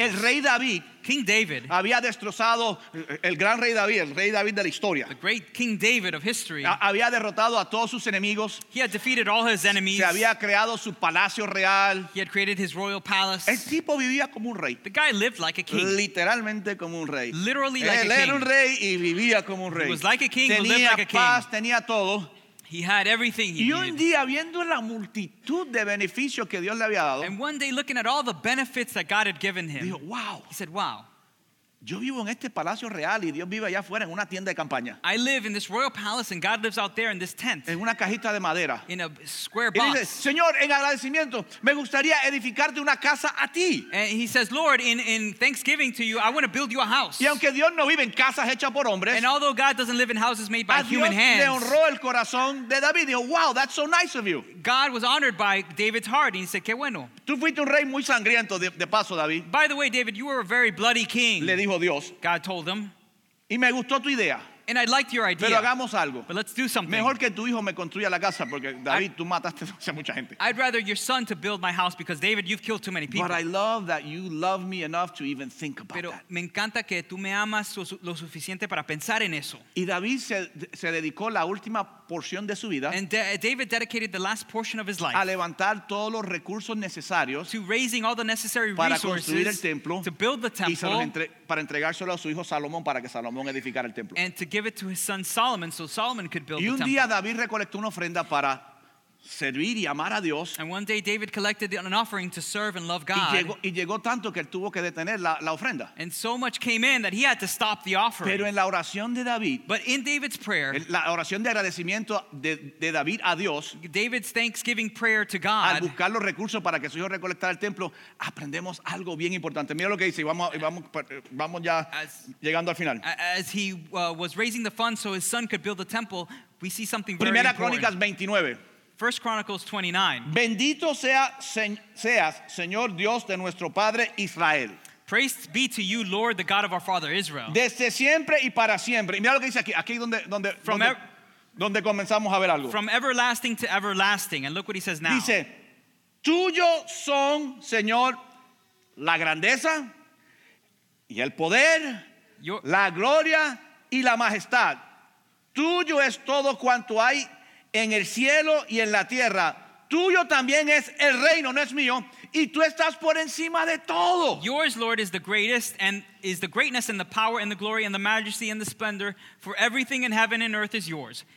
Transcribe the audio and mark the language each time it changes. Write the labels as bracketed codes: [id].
[es] El rey David, [en] King David, [es] había destrozado el gran rey David, el rey David de la historia. [en] The great King David of history. [es] Había derrotado a todos sus enemigos. [en] He had defeated all his enemies. [es] Se había creado su palacio real. [en] He had created his royal palace. [es] El tipo vivía como un rey. [en] The guy lived like a king. [es] Literalmente como un rey. [en] Literally like a king. [es] Él era un rey y vivía como un rey. [en] He was like a king, [es] tenía [en] lived like a king. [es] Tenía paz, tenía todo. [en] He had everything he [es] y un [en] needed. [es] Día viendo la multitud de beneficios que Dios le había dado, [en] and one day looking at all the benefits that God had given him, [es] dijo, wow. [en] He said, wow. [es] Yo vivo en este palacio real y Dios vive allá afuera en una tienda de campaña. [en] I live in this royal palace and God lives out there in this tent. [es] En una cajita de madera. [en] In a square box. [es] Y dice, Señor, en agradecimiento, me gustaría edificarte una casa a ti. [en] And he says, Lord, in thanksgiving to you, I want to build you a house. [es] Y aunque Dios no vive en casas hechas por hombres, [en] and although God doesn't live in houses made by human hands, [es] a Dios le honró el corazón de David. Dijo, [en] wow, that's so nice of you. God was honored by David's heart. And he said, [es] qué bueno. Tú fuiste un rey muy sangriento de paso, David. [en] By the way, David, you were a very bloody king. [es] Le dijo Dios. [en] God told him. [es] Y me gustó tu idea. [en] And I liked your idea. [es] Pero hagamos algo. [en] But let's do something. [es] Mejor que tu hijo me construya la casa porque David, tú mataste a mucha gente. [en] I'd rather your son to build my house because David, you've killed too many people. But I love that you love me enough to even think about [es] pero [en] that. [es] Pero me encanta que tú me amas lo suficiente para pensar en eso. Y David se dedicó la última porción de su vida. [en] And David dedicated the last portion of his life. [es] A levantar todos los recursos necesarios. [en] To raising all the necessary [es] para [en] resources. [es] Para construir el templo. [en] To build the temple. [es] Y para entregárselo a su hijo Salomón para que Salomón edificara el templo. [en] And to give it to his son Solomon so Solomon could build [es] y un [en] the temple. [es] Día David recolectó una ofrenda para servir y amar a Dios. [en] And one day David collected an offering to serve and love God. [es] Y llegó tanto que él tuvo que detener la ofrenda. [en] And so much came in that he had to stop the offering. [es] Pero en la oración de David, [en] but in David's prayer, [es] la oración de agradecimiento de David a Dios, [en] David's thanksgiving prayer to God, [es] al buscar los recursos para que su hijo recolectara el templo, aprendemos algo bien importante. Mira lo que dice, vamos ya llegando al final. [en] As he was raising the funds so his son could build the temple, we see something very [es] Primera [en] important. [es] Crónicas 29. [en] 1 Chronicles 29. [es] Bendito seas, Señor Dios de nuestro Padre Israel. [en] Praise be to you, Lord, the God of our father Israel. [es] Desde siempre y para siempre. Y mira lo que dice aquí. Aquí donde comenzamos a ver algo. [en] From everlasting to everlasting. And look what he says now. [es] Dice, tuyo son, Señor, la grandeza y el poder, la gloria y la majestad. Tuyo es todo cuanto hay en el cielo y en la tierra. Tuyo también es el reino, no es mío, y tú estás por encima de todo. [en] Yours, Lord, is the greatest, and is the greatness and the power and the glory and the majesty and the splendor, for everything in heaven and earth is yours.